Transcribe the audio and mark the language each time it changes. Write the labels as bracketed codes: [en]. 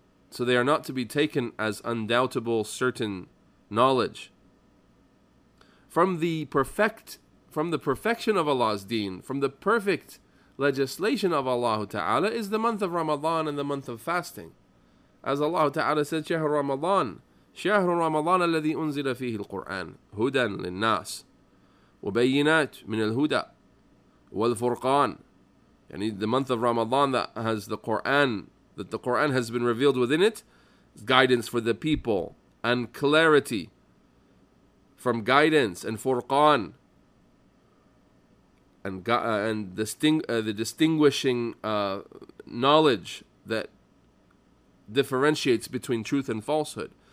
[en] So they are not to be taken as undoubtable certain knowledge. From the perfection of Allah's deen, from the perfect legislation of Allah Ta'ala, is the month of Ramadan and the month of fasting. As Allah Ta'ala said, [ar] شهر رمضان شهر رمضان الذي أنزل فيه القرآن هدى للناس وبينات من الهدى والفرقان. [en] يعني the month of Ramadan that has the Quran, that the Quran has been revealed within it, guidance for the people and clarity from guidance and furqan and the distinguishing knowledge that differentiates between truth and falsehood.